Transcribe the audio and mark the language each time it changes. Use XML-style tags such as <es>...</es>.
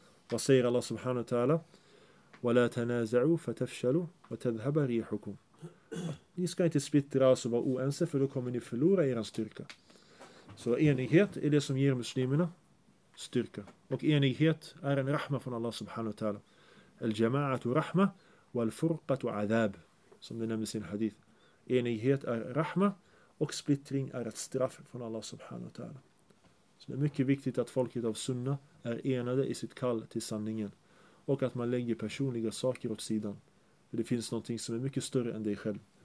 <sv>Vad säger Allah subhanahu wa ta'ala?</sv> <ar>وَلَا تَنَازَعُوا فَتَفْشَلُوا وَتَذْهَبَ رِيحُكُمْ.</ar> <sv>Ni ska inte splittras och vara oense, för då kommer ni förlora er styrka. Så enighet är det som ger muslimerna styrka. Och enighet är en rahma från Allah subhanahu wa ta'ala.</sv> <ar>الْجَمَاعَةُ rahma وَالْفُرْقَةُ عَذَاب.</ar> <sv>Som det nämns i en hadith. Enighet är rahma och splittring är ett straff från Allah subhanahu wa ta'ala. Så det är mycket viktigt att folket av sunna är enade i sitt kall till sanningen. Och att man lägger personliga saker åt sidan. För det finns någonting som är mycket större än dig själv.</sv>